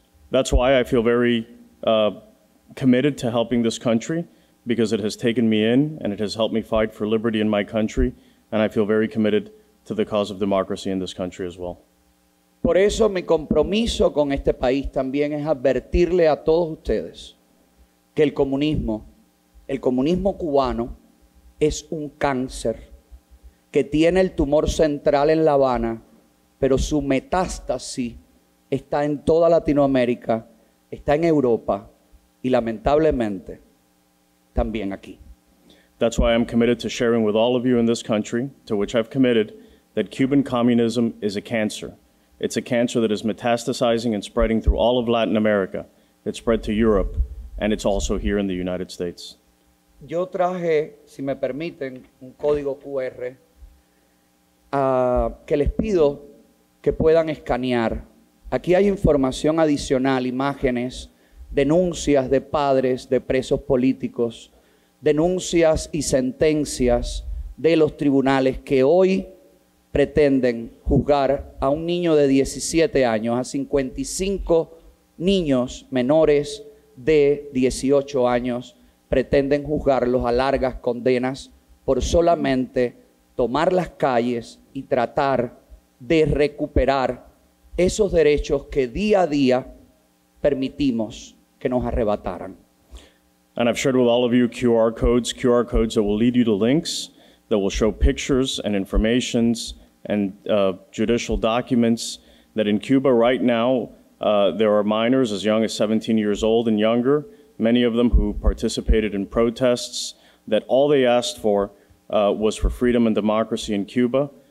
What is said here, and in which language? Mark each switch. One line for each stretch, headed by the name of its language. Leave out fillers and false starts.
English: That's why I feel very committed to helping this country, because it has taken me in and it has helped me fight for liberty in my country, and I feel very committed to the cause of democracy in this country as well.
Spanish: Por eso mi compromiso con este país también es advertirle a todos ustedes que el comunismo cubano es un cáncer que tiene el tumor central en La Habana, pero su metástasis está en toda Latinoamérica, está en Europa, y lamentablemente, también aquí.
English: That's why I'm committed to sharing with all of you in this country, to which I've committed, that Cuban communism is a cancer. It's a cancer that is metastasizing and spreading through all of Latin America. It's spread to Europe, and it's also here in the United States.
Spanish: Yo traje, si me permiten, un código QR, que les pido que puedan escanear Aquí hay información adicional, imágenes, denuncias de padres de presos políticos, denuncias y sentencias de los tribunales que hoy pretenden juzgar a un niño de 17 años, a 55 niños menores de 18 años, pretenden juzgarlos a largas condenas por solamente tomar las calles y tratar de recuperar esos derechos que día a día permitimos que nos arrebataran.
English: And I've shared with all of you QR codes that will lead you to links that will show pictures and informations and judicial documents that in Cuba right now there are minors as young as 17 years old and younger, many of them who participated in protests, that all they asked for was for freedom and democracy in Cuba,